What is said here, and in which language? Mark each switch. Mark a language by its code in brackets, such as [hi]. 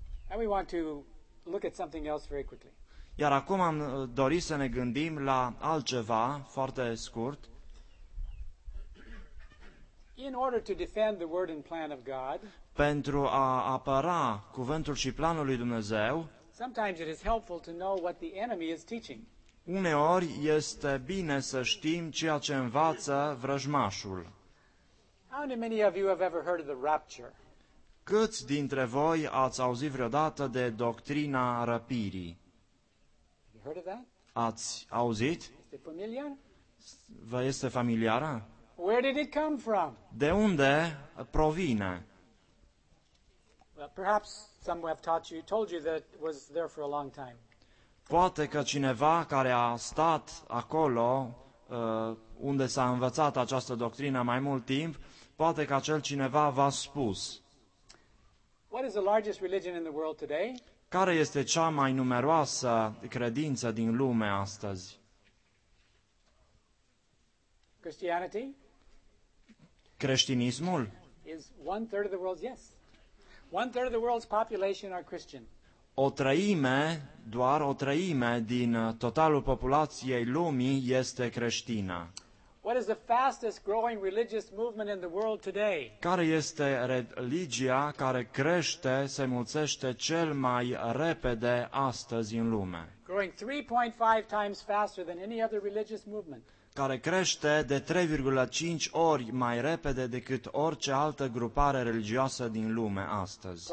[en] And we want to look at something else very quickly. [ro] Iar acum am dorit să ne gândim la altceva foarte scurt. [en] In order to defend the word and plan of God, [ro] pentru a apăra cuvântul și planul lui Dumnezeu, [en] sometimes it is helpful to know what the enemy is teaching. [ro] Uneori este bine să știm ceea ce învață vrăjmașul. [en] How many of you have ever heard of the rapture? [ro] Câți dintre voi ați auzit vreodată de doctrina răpirii? [en] Have you heard of that? [ro] Ați auzit? Este familiar? Vă este familiară? [en] Where did it come from? [ro] De unde provine? [en] Perhaps some have taught you, told you that it was there for a long time. [ro] Poate că cineva care a stat acolo unde s-a învățat această doctrină mai mult timp, poate că acel cineva v-a spus. [en] What is the largest religion in the world today? [ro] Care este cea mai numeroasă credință din lume astăzi? [en] Christianity? [ro] Creștinismul? [en] Is one third of the world's yes. One third of the world's population are Christian. [ro] O treime, doar o treime din totalul populației lumii este creștină. [en] What is the fastest growing religious movement in the world today? [ro] Care este religia care crește, se mulțește cel mai repede astăzi în lume? [en] Growing 3.5 times faster than any other religious movement. [ro] Care crește de 3,5 ori mai repede decât orice altă grupare religioasă din lume astăzi.